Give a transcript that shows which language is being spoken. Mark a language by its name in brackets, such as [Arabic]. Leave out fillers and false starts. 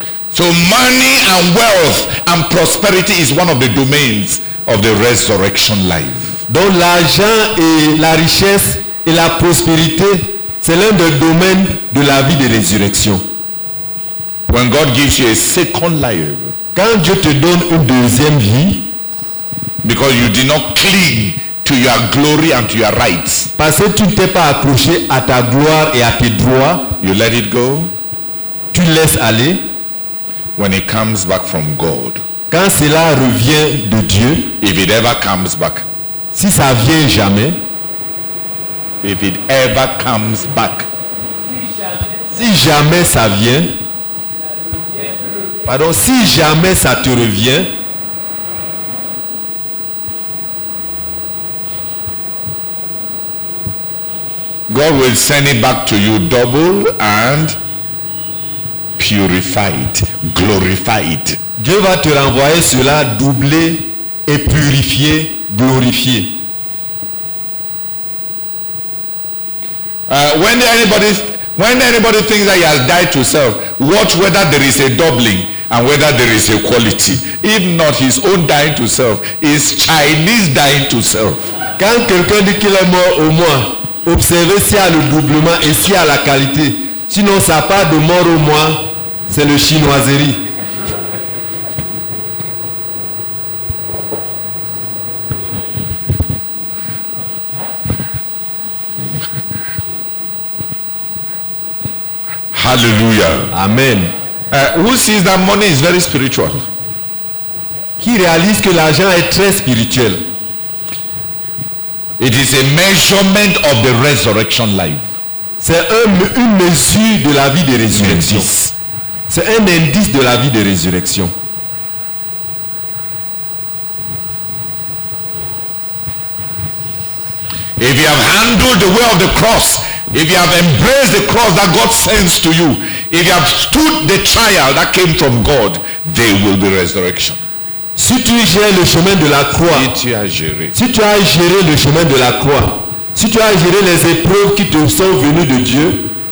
[English] So money and wealth and prosperity is one of the domains of the resurrection life. [French] Donc l'argent et la richesse et la prospérité, c'est l'un des domaines de la vie de résurrection. [English] When God gives you a second life, [French] quand Dieu te donne une deuxième vie, [English] because you did not cling to your glory and to your rights, [French] parce que tu ne t'es pas accroché à ta gloire et à tes droits, [English] you let it go, [French] tu laisses aller. [English] When it comes back from God, [French] quand cela revient de Dieu, [English] if it ever comes back, [French] si ça vient jamais, [English] if it ever comes back, [French] si jamais ça vient, pardon, si jamais ça te revient, [English] God will send it back to you double and purified, glorified. [French] Dieu va te renvoyer cela doublé et purifié, glorifié. [English] When anybody thinks that he has died to self, watch whether there is a doubling and whether there is a quality. If not, his own dying to self is Chinese dying to self. [French] Quand quelqu'un dit qu'il est mort au moi, observez s'il y a le doublement et s'il y a la qualité. Sinon, ça part de mort au moi. C'est le chinoiserie. Hallelujah. Amen. [English] Who sees that money is very spiritual? [French] Qui réalise que l'argent est très spirituel? [English] It is a measurement of the resurrection life. [French] C'est une mesure de la vie de résurrection. C'est un indice de la vie de résurrection. [English] If you have handled the way of the cross, if you have embraced the cross that God sends to you, If you have stood the trial that came from God, there will be resurrection. [French] Si tu gères le chemin de la croix, si tu as géré le chemin de la croix, si tu as géré les épreuves qui te sont venues de Dieu,